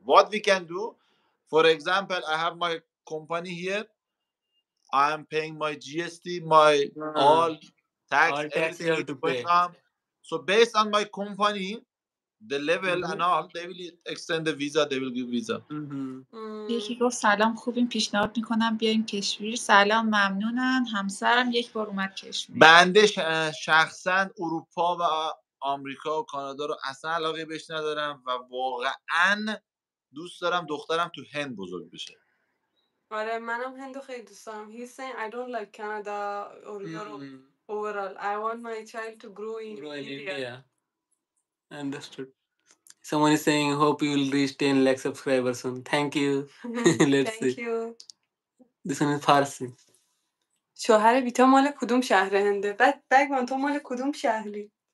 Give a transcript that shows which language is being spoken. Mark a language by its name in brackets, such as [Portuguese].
[English] What we can do, for example, I have my company here. I am paying my GST, my all tax you have to pay. So based on my company, the level and all, they will extend the visa, they will give visa. [Persian] یکی گفت سلام خوبیم پیشنهاد میکنم بیاییم کشمیر. سلام ممنونم. همسرم یک بار اومد کشمیر. بنده شخصا اروپا و آمریکا و کانادا رو اصلا علاقه بهش ندارم و واقعا دوست دارم دخترم تو هند بزرگ بشه. آره منم هندو خیلی دوست دارم. [English] He's saying I don't like Canada or Europe overall. I want my child to grow in India. Understood. Someone is saying hope you will reach 10 lakh subscribers soon. Thank you. Let's thank see. You. This one is Parsi. [Persian] شوهر بیتا مال کدوم شهر هنده؟ بعد بگم تو مال کدوم شهری؟